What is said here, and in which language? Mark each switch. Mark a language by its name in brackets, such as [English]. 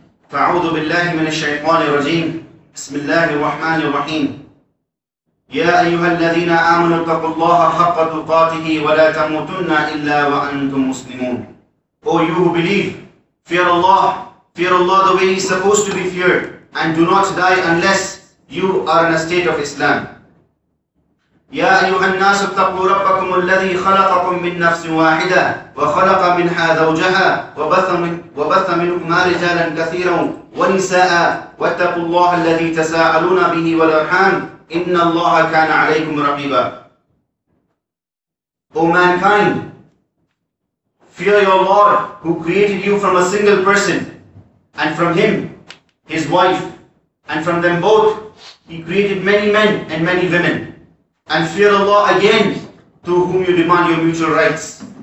[Arabic] فَعُوذُ بِاللَّهِ مِنَ الشَّيْطَانِ الرَّجِيمِ بِسْمِ اللَّهِ الرَّحْمَنِ الرَّحِيمِ يَا أَيُّهَا الَّذِينَ آمَنُوا اتَّقُوا اللَّهَ حَقَّ تُقَاتِهِ وَلَا تَمُوتُنَّ إِلَّا وَأَنْتُمْ مُسْلِمُونَ. [English] O you who believe, fear Allah the way He is supposed to be feared, and do not die unless you are in a state of Islam. [Arabic] يا أيها الناس اتقوا ربكم الذي خلقكم من نفس واحدة وخلق منها زوجها وبث منهما رجالا كثيرا ونساء واتقوا الله الذي تساءلون به والأرحام إن الله كان عليكم رقيبا. [English] O mankind, fear your Lord who created you from a single person, and from him, his wife, and from them both, he created many men and many women. And fear Allah again, to whom you demand your mutual rights.